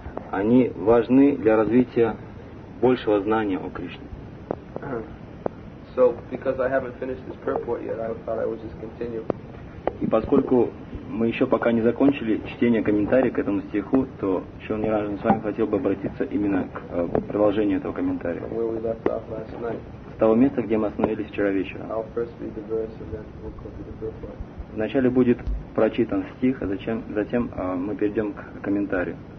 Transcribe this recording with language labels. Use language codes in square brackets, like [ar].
[ru] Они важны для развития большего знания о Кришне. [en] So, because I haven't finished this purport yet, I thought I would just continue. [ru] И поскольку мы еще пока не закончили чтение комментария к этому стиху, то Шрила Нираджан с вами хотел бы обратиться именно к продолжению этого комментария. [en] Where we left off last night. [ru] С того места, где мы остановились вчера вечером. [en] I'll first read the verse, and then we'll go to the purport. [ru] Вначале будет прочитан стих, а затем мы перейдем к комментарию.